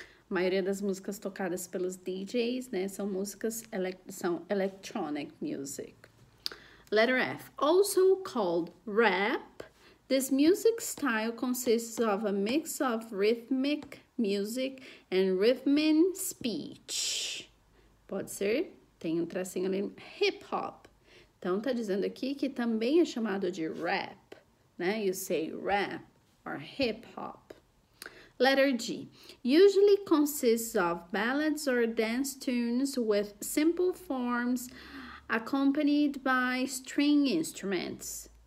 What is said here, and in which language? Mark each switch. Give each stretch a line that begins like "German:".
Portuguese: A maioria das músicas tocadas pelos DJs, né, são músicas são electronic music.
English: Letter F. Also called rap, this music style consists of a mix of rhythmic music and rhythmic speech.
Portuguese: Pode ser? Tem um tracinho ali. Hip-hop. Então, tá dizendo aqui que também é chamado de rap, né?
English: You say rap or hip-hop. Letter G. Usually consists of ballads or dance tunes with simple forms accompanied by string instruments.